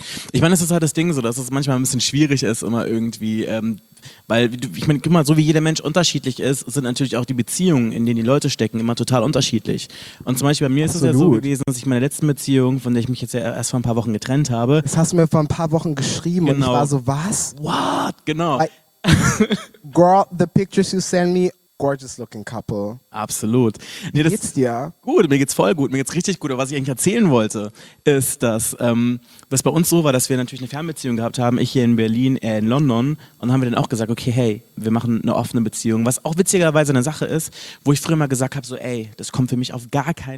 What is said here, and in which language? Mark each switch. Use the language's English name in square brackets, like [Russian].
[German] Ich meine, es ist halt das Ding so, dass es manchmal ein bisschen schwierig ist, immer irgendwie. Weil, ich meine, guck mal, so wie jeder Mensch unterschiedlich ist, sind natürlich auch die Beziehungen, in denen die Leute stecken, immer total unterschiedlich. Und zum Beispiel bei mir ist es ja so gewesen, dass ich meine letzten Beziehung, von der ich mich jetzt ja erst vor ein paar Wochen getrennt habe. Das hast du mir vor ein paar Wochen geschrieben genau. Und ich war so, was? [English] What? [German] Genau. [English] Girl, the pictures you send me, gorgeous looking couple. [German] Absolut. Nee, das geht's dir? Gut, mir geht's voll gut, mir geht's richtig gut. Aber was ich eigentlich erzählen wollte, ist, dass das bei uns so war, dass wir natürlich eine Fernbeziehung gehabt haben. Ich hier in Berlin, er in London. Und dann haben wir dann auch gesagt, okay, hey, wir machen eine offene Beziehung. Was auch witzigerweise eine Sache ist, wo ich früher mal gesagt habe, so ey, das kommt für mich auf gar keinen Fall.